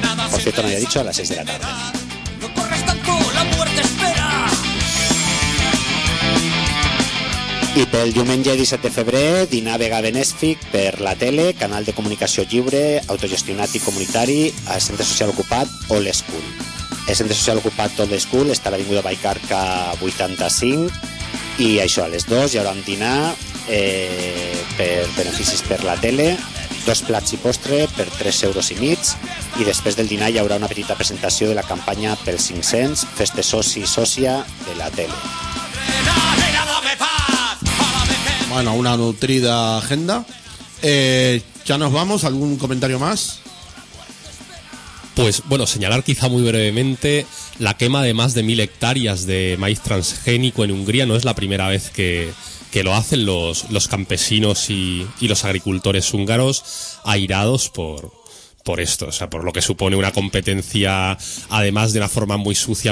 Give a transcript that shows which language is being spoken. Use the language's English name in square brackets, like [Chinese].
[Spanish] Por cierto, no había dicho a las 6 de la tarde. No corres tanto, la muerte espera. [Catalan] I pel diumenge 17 de febrer, dinar vegà benèfic per la tele, canal de comunicació lliure, autogestionat i comunitari, al centre social ocupat Old School. El centre social ocupat Old School està a l'avinguda Vallcarca 85 i això, a les 2 hi haurà un dinar per beneficis per la tele, dos plats i postre per 3,5 euros, i després del dinar hi haurà una petita presentació de la campanya pels 500, feste soci i sòcia de la tele. [Spanish] Bueno, una nutrida agenda. Ya nos vamos, ¿algún comentario más? Pues bueno, señalar quizá muy brevemente la quema de más de 1,000 hectáreas de maíz transgénico en Hungría. No es la primera vez que lo hacen los campesinos y los agricultores húngaros, airados por esto, o sea, por lo que supone una competencia, además de una forma muy sucia.